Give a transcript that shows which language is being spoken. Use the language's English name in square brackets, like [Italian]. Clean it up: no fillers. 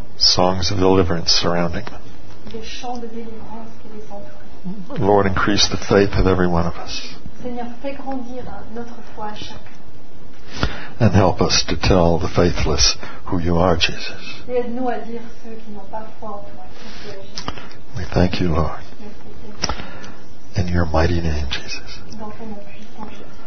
[English] songs of deliverance surrounding them. [French] Des chants de délivrance qui les entourent. [English] Lord, increase the faith of every one of us. [French] Seigneur, fais grandir notre foi à chacun. [English] And help us to tell the faithless who you are, Jesus. [French] Et aide-nous à dire ceux qui n'ont pas foi en toi. [English] We thank you, Lord. [French] Merci. [English] In your mighty name, Jesus. [French] Dans ton nom puissant, Jésus.